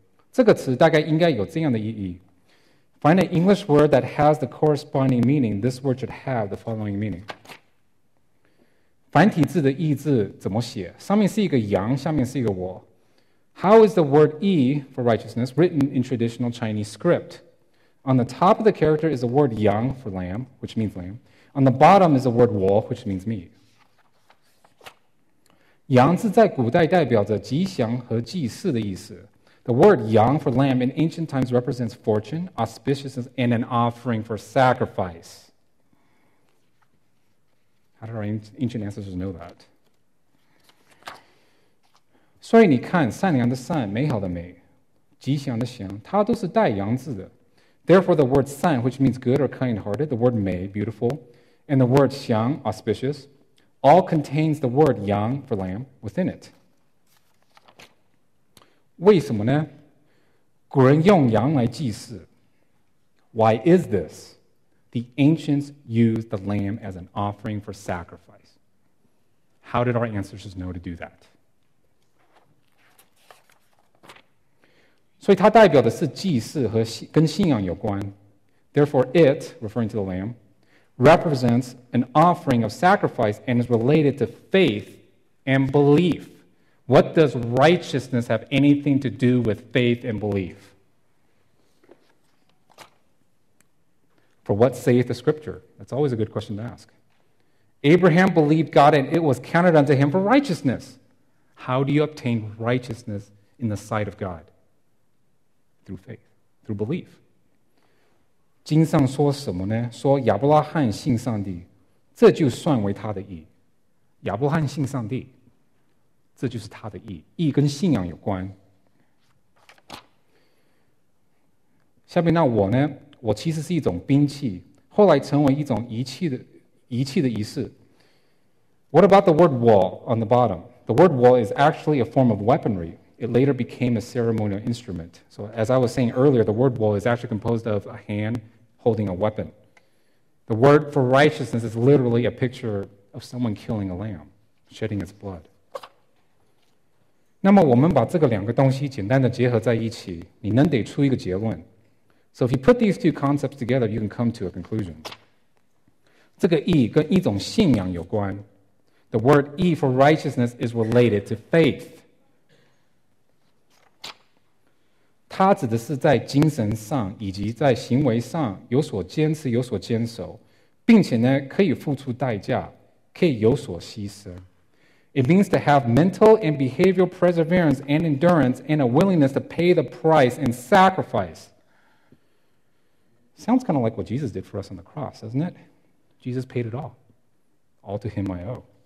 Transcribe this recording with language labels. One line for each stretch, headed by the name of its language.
Chinese: 就是说，找一个英文里边对应的词，这个词大概应该有这样的意义。
English: Find an English word that has the corresponding meaning. This word should have the following meaning.
Chinese: 繁体字的"义"字怎么写？上面是一个"羊"，下面是一个"我".
English: How is the word "义" for righteousness written in traditional Chinese script? On the top of the character is the word yang for lamb, which means lamb. On the bottom is the word wo, which means me.
Chinese: 羊字在古代代表着吉祥和祭祀的意思.
English: The word yang for lamb in ancient times represents fortune, auspiciousness, and an offering for sacrifice. How did our ancient ancestors know that?
Chinese: 所以你看，善良的善，美好的美，吉祥的祥，它都是带羊字的。
English: Therefore, the word san, which means good or kind-hearted, the word mei, beautiful, and the word xiang, auspicious, all contains the word yang, for lamb, within it.
Chinese: 为什么呢？古人用羊来祭祀。
English: Why is this? The ancients used the lamb as an offering for sacrifice. How did our ancestors know to do that?
Chinese: 所以它代表的是祭祀和跟信仰有关。
English: Therefore, it, referring to the lamb, represents an offering of sacrifice and is related to faith and belief. What does righteousness have anything to do with faith and belief? For what saith the scripture? That's always a good question to ask. Abraham believed God and it was counted unto him for righteousness. How do you obtain righteousness in the sight of God? Through faith, through belief.
Chinese: 经上说什么呢？说亚伯拉罕信上帝，这就算为他的义。亚伯拉罕信上帝，这就是他的义。义跟信仰有关。下面那我呢？我其实是一种兵器，后来成为一种仪器的仪式。
English: What about the word war on the bottom? The word war is actually a form of weaponry. It later became a ceremonial instrument. So as I was saying earlier, the word wall is actually composed of a hand holding a weapon. The word for righteousness is literally a picture of someone killing a lamb, shedding its blood.
Chinese: 那么我们把这个两个东西简单的结合在一起，你能得出一个结论。
English: So if you put these two concepts together, you can come to a conclusion.
Chinese: 这个义跟一种信仰有关。
English: The word义 for righteousness is related to faith.
Chinese: 它指的是在精神上以及在行为上有所坚持、有所坚守，并且呢可以付出代价，可以有所牺牲。
English: It means to have mental and behavioral perseverance and endurance and a willingness to pay the price and sacrifice. Sounds kind of like what Jesus did for us on the cross, doesn't it? Jesus paid it all. All to him I owe.